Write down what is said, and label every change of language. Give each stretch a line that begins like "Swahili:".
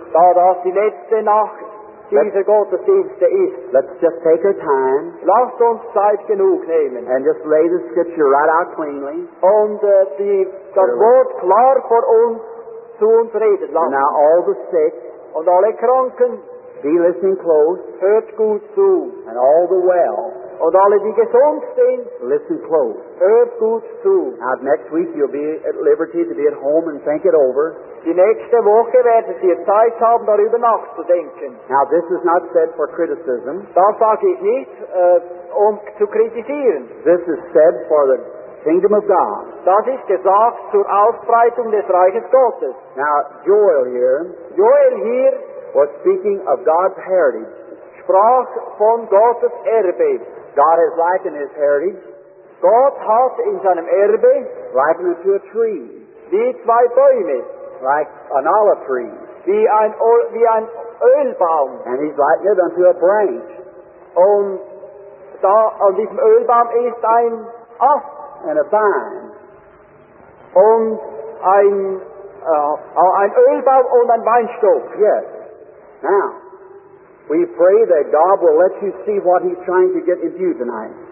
German: Da das die letzte Nacht dieser Gottesdienste ist.
English: Let's just take our time.
German: Lasst uns Zeit genug nehmen.
English: And just lay the scripture right out cleanly.
German: Und das Wort klar vor uns zu uns reden lassen.
English: Now all the sick.
German: Und alle Kranken,
English: be listening close.
German: Hört gut zu.
English: And all the well.
German: Und alle, die gesund sind,
English: listen close.
German: Hört gut zu.
English: Now, next week you'll be at liberty to be at home and think it over.
German: Die nächste Woche werdet ihr Zeit haben, darüber nachzudenken.
English: Now, this is not said for criticism.
German: Das sage ich nicht, zu kritisieren.
English: This is said for the Kingdom of God.
German: Das ist gesagt zur Ausbreitung des Reiches Gottes.
English: Now Joel here was speaking of God's heritage.
German: Sprach von Gottes Erbe.
English: God has likened his heritage.
German: Gott hat in seinem Erbe
English: likened it to a tree.
German: Wie zwei Bäume.
English: Like an olive tree.
German: Wie ein Ölbaum.
English: And he's likened it unto a branch.
German: Und da an diesem Ölbaum ist ein Ast.
English: And a vine.
German: Und ein Ölbaum und ein Weinstock.
English: Yes. Now, we pray that God will let you see what he's trying to get into you tonight.